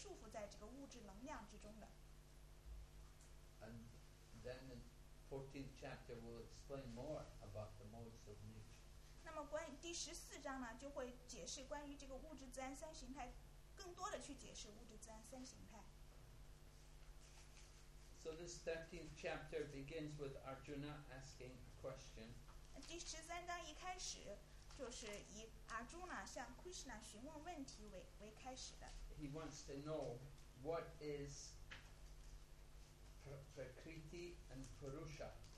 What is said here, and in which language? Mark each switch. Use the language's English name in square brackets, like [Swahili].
[Chinese] 在这第13章中我们会去了解芸芸众生是怎么样被束缚在这个物质能量之中的。 [English] And then in 14th chapter we'll explain more about the modes of nature. [Chinese] 那么关于第14章呢就会解释关于这个物质自然三形态，更多的去解释物质自然三形态。 [English] So this 13th chapter begins with Arjuna asking a question. [Chinese] 第13章一开始就是以阿朱呢向 Krishna 询问问题 为开始的。 [English] He wants to know what is Prakriti and Purusha.